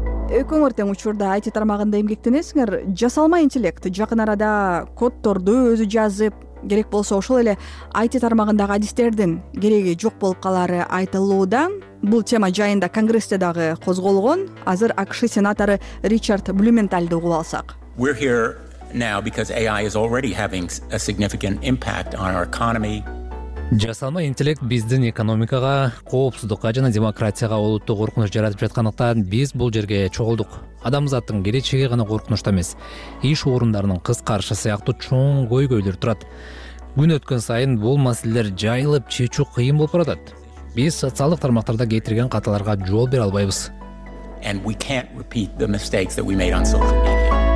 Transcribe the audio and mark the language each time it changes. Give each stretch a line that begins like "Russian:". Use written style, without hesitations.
Kyrgyz: Экөөңөр тең учурда IT тармагында эмгектенесиңер. Жасалма интеллект жакын арада коддорду өзү жазып, керек болсо ошол эле IT тармагындагы адистердин кереги жок болуп калары айтылууда. Бул тема жайында Конгрессте дагы козголгон. Азыр АКШ сенатору Ричард Блюменталды угуп алсак.
English: We're here now because AI is already having a significant impact on our economy.
Kyrgyz: Жасалма интеллект биздин экономикага, коопсуздукка жана демократияга олуттуу коркунуч жаратып жаткандыктан биз бул жерге чогулдук. Адамзаттын келечеги гана коркунучта эмес, иш орундарынын кыскарышы сыяктуу чоң көйгөйлөр турат. Күн өткөн сайын бул маселелер жайылып чечүү кыйын болуп баратат. Биз социалдык тармактарда кетирген каталарга жол бере албайбыз.
English: And we can't repeat the mistakes that we made on social media.